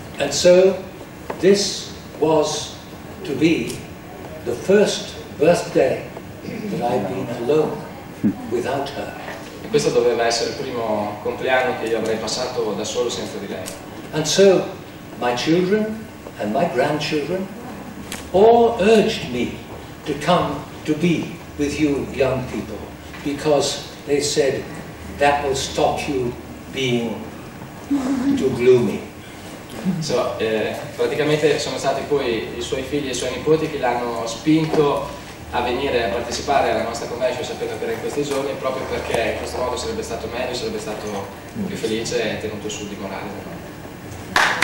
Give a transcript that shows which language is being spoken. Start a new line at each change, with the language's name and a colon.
English: And so this was to be the first birthday that I've been alone without her.
Italian: E questo doveva essere il primo compleanno che io avrei passato da solo senza di lei.
English: And so my children and my grandchildren all urged me to come to be with you young people because they said that will stop you being too gloomy.
Italian: So, praticamente sono stati poi i suoi figli e i suoi nipoti che l'hanno spinto a venire a partecipare alla nostra convention, sapendo che era in questi giorni, proprio perché in questo modo sarebbe stato meglio, sarebbe stato più felice e tenuto su di morale.